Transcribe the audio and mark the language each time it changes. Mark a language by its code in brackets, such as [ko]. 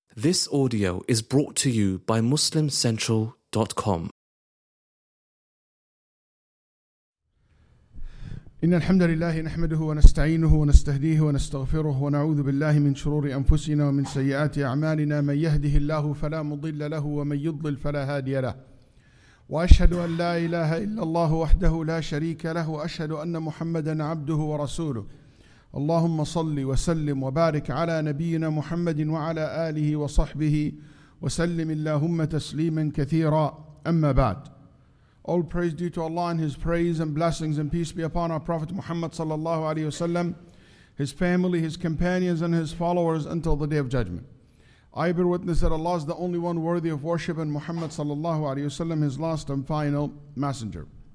[en] This audio is brought to you by MuslimCentral.com. [ar] إن الحمد لله نحمده ونستعينه ونستهديه ونستغفره ونعوذ بالله من شرور أنفسنا ومن سيئات أعمالنا من يهده الله فلا مضل له ومن يضلل فلا هادي له وأشهد أن لا إله إلا الله وحده لا شريك له وأشهد أن محمدا عبده ورسوله اللهم صل وسلم وبارك على نبينا محمد وعلى آله وصحبه وسلم اللهم تسليما كثيرا أما بعد. [en] All praise due to Allah and His praise and blessings and peace be upon our Prophet Muhammad sallallahu alayhi wasallam, his family, his companions and his followers until the Day of Judgment. I bear witness that Allah is the only one worthy of worship and Muhammad sallallahu alayhi wasallam, his last and final messenger.